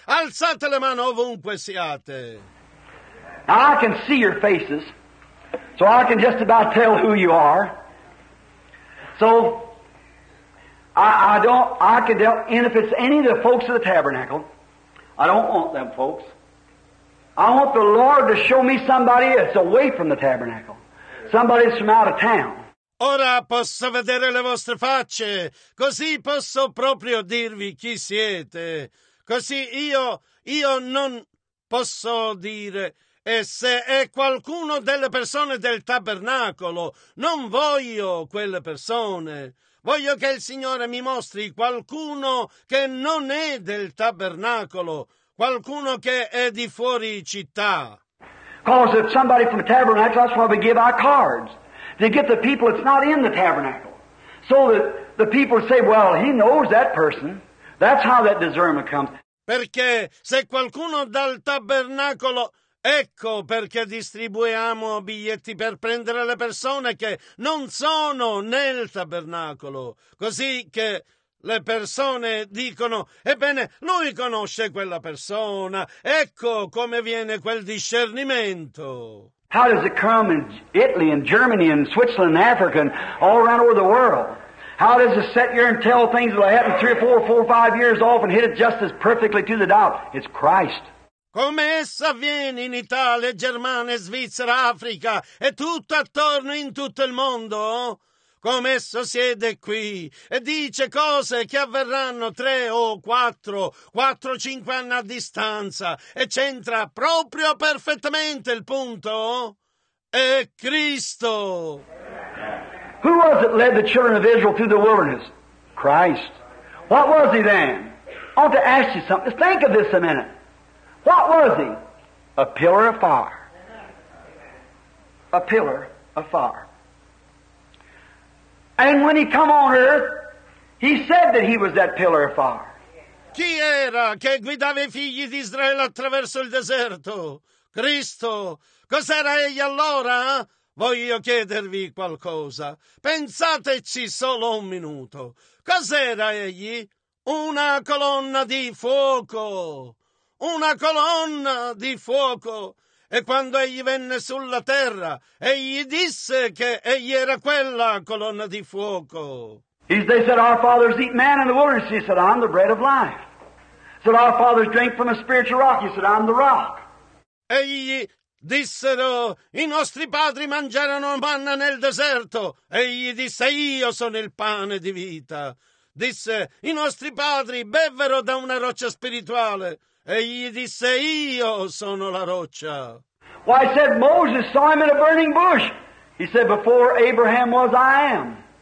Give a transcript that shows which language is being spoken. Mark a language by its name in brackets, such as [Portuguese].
[Italian] Alzate le mani ovunque siate. [English] Now I can see your faces, so I can just about tell who you are. So I can tell, and if it's any of the folks of the tabernacle, I don't want them folks. I want the Lord to show me somebody that's away from the tabernacle. Somebody that's from out of town. [Italian] Ora posso vedere le vostre facce, così posso proprio dirvi chi siete. Così io non posso dire, e se è qualcuno delle persone del tabernacolo, non voglio quelle persone. Voglio che il Signore mi mostri qualcuno che non è del tabernacolo. Qualcuno che è di fuori città. [English] Because if somebody from the tabernacle, that's why we give our cards. To get the people that's not in the tabernacle. So that the people say, well, he knows that person. That's how that discernment comes. [Italian] Perché se qualcuno dal tabernacolo, ecco perché distribuiamo biglietti per prendere le persone che non sono nel tabernacolo. Così che le persone dicono, ebbene, lui conosce quella persona, ecco come viene quel discernimento. [English] How does it come in Italy and Germany and Switzerland and Africa and all around over the world? How does it sit here and tell things that will happen 3 or 4 or 5 years off and hit it just as perfectly to the dot? It's Christ. [Italian] Come essa avviene in Italia, Germania, Svizzera, Africa e tutto attorno in tutto il mondo? Come esso siede qui e dice cose che avverranno 3 o 4, 4 o 5 anni a distanza e c'entra proprio perfettamente il punto? È Cristo! [English] Who was it led the children of Israel through the wilderness? Christ. What was he then? I want to ask you something. Think of this a minute. What was he? A pillar of fire. A pillar of fire. And when he come on earth, he said that he was that pillar of fire. [Italian] Chi era che guidava i figli di Israele attraverso il deserto? Cristo. Cos'era egli allora? Voglio chiedervi qualcosa. Pensateci solo un minuto. Cos'era egli? Una colonna di fuoco. Una colonna di fuoco. E quando egli venne sulla terra, egli disse che egli era quella colonna di fuoco. [English] They said, our fathers eat man in the wilderness. He said, I'm the bread of life. Said, our fathers drink from a spiritual rock. He said, I'm the rock. [Italian] Egli dissero, i nostri padri mangiarono manna nel deserto. Egli disse, io sono il pane di vita. Disse, i nostri padri bevvero da una roccia spirituale. Egli disse, io sono la roccia. [English] Why, said Moses, saw him in a burning bush. He said, before Abraham was, I am.